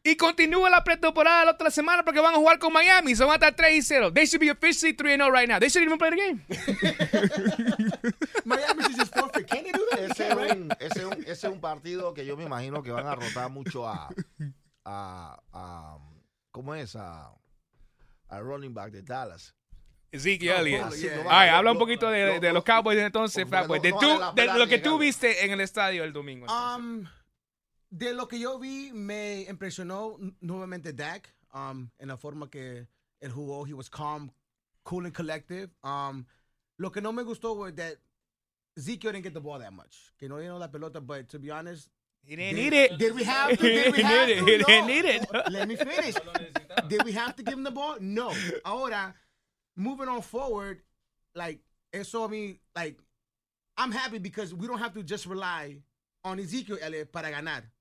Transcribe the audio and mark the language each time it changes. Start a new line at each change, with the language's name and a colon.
Spanish: Y continúa la pretemporada la otra semana porque van a jugar con Miami. Son hasta 3-0.
English: They should be officially 3-0 right now. They shouldn't even play the game. Miami should just forfeit. Can they do that?
Spanish: Ese es un partido que yo me imagino que van a rotar mucho a ¿cómo es? A running back de Dallas. Ezekiel Elliott. Ay, habla un poquito de los Cowboys entonces, Fatboi. De lo que tú viste en el estadio el domingo. De lo que yo vi, me impresionó nuevamente Dak, en la forma que él jugó.
English: He was calm, cool, and collective.
Spanish: Lo que no me gustó
English: was that Zeke didn't get the ball that much.
Spanish: Que no llenó la pelota,
English: but to be honest, Did we have to give him the ball? No.
Spanish: Ahora,
English: moving on forward, like,
Spanish: eso a mí,
English: like, I'm happy because we don't have to just rely on Ezekiel Elliott
Spanish: para ganar.